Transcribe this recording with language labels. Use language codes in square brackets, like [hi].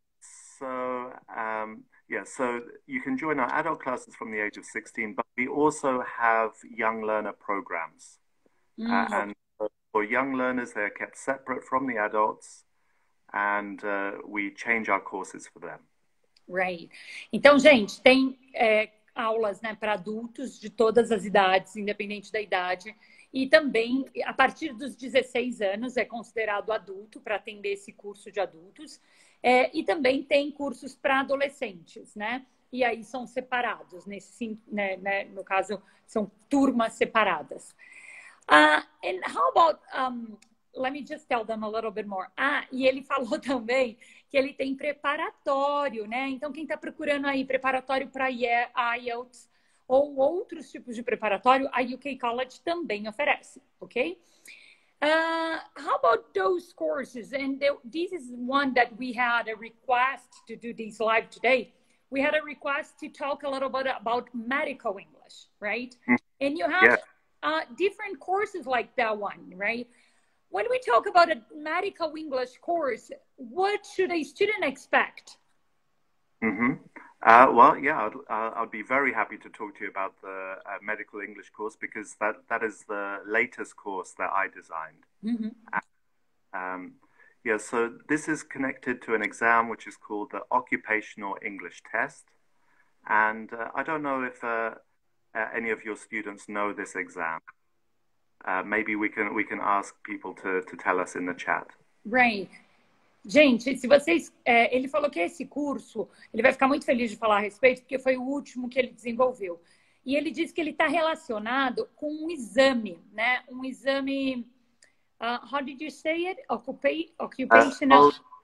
[en] So you can join our adult classes from the age of 16, but we also have young learner programs. Mm-hmm. And for young learners, they are kept separate from the adults, and we change our courses for them. Right. [pt] Então, gente, tem aulas, né, para adultos de todas as idades, independente da idade. E também, a partir dos 16 anos, é considerado adulto para atender esse curso de adultos. E também tem cursos para adolescentes, né? E aí são separados, no caso, são turmas separadas. [en] And how about... let me just tell them a little bit more. [pt] E ele falou também que ele tem preparatório, né? Então, quem está procurando aí preparatório para IELTS ou outros tipos de preparatório, a UK College também oferece, ok? [en] How about those courses? And this is one that we had a request to do this live today. We had a request to talk a little bit about medical English, right? And you have different courses like that one, right? When we talk about a medical English course, what should a student expect? I'd be very happy to talk to you about the medical English course, because that is the latest course that I designed. So this is connected to an exam which is called the Occupational English Test. And I don't know if any of your students know this exam. Maybe we can ask people to tell us in the chat. [pt] Right. Gente, se vocês... ele falou que esse curso, ele vai ficar muito feliz de falar a respeito, porque foi o último que ele desenvolveu. E ele disse que ele está relacionado com um exame, né? Um exame... [en] how did you say it? Occupational?